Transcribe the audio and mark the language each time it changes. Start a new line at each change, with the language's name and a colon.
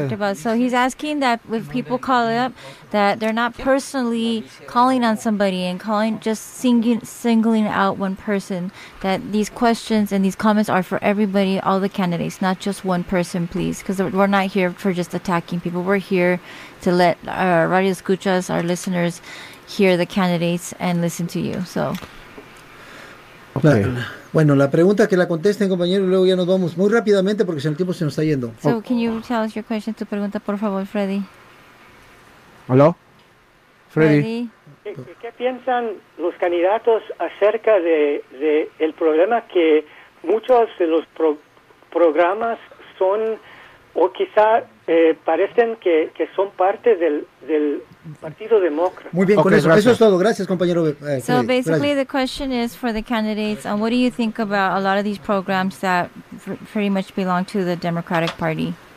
English: Talked about, so he's asking that if people call it up, that they're not personally calling on somebody and calling, just singling out one person, that these questions and these comments are for everybody, all the candidates, not just one person, please, because we're not here for just attacking people, we're here to let our radio escuchas, our listeners, hear the candidates and listen to you, so... Okay.
Spanish: Bueno, la pregunta que la contesten, compañero, y luego ya nos vamos muy rápidamente porque el tiempo se nos está yendo.
English: So, can you tell us your question, tu pregunta, por favor, Freddy?
Spanish: ¿Aló? Freddy. ¿Qué piensan los candidatos acerca de el problema que muchos de los programas son, o quizá parecen que son parte del Partido Demócrata? Muy bien, okay, con eso. Gracias. Eso es todo. Gracias, compañero.
English: So Freddy, basically,
Spanish: gracias.
English: The question is for the candidates, what do you think about a lot of these programs that pretty much belong to the Democratic Party?